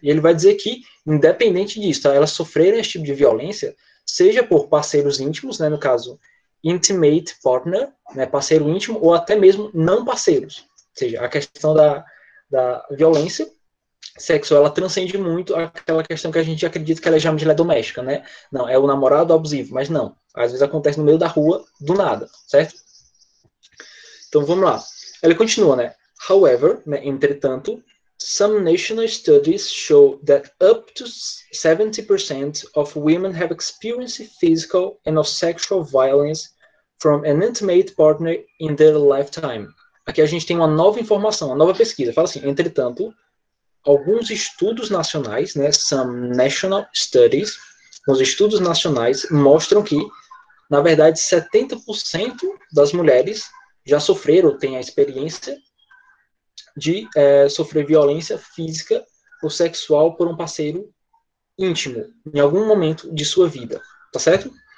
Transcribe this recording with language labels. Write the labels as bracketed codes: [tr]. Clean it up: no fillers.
[pt] E ele vai dizer que, independente disso, tá, elas sofrerem esse tipo de violência, seja por parceiros íntimos, né, no caso, [en] intimate partner, [pt] né, parceiro íntimo, ou até mesmo não parceiros. Ou seja, a questão da violência sexual, ela transcende muito aquela questão que a gente acredita que ela já é doméstica, né? Não, é o namorado abusivo, mas não. Às vezes acontece no meio da rua, do nada, certo? Então vamos lá. Ele continua, né? [en] However, né, [pt] entretanto, [en] some national studies show that up to 70% of women have experienced physical and of sexual violence from an intimate partner in their lifetime. [pt] Aqui a gente tem uma nova informação, uma nova pesquisa. Fala assim, entretanto, alguns estudos nacionais, né, [en] some national studies, [pt] os estudos nacionais mostram que, na verdade, 70% das mulheres já sofreram, têm a experiência de sofrer violência física ou sexual por um parceiro íntimo em algum momento de sua vida, tá certo?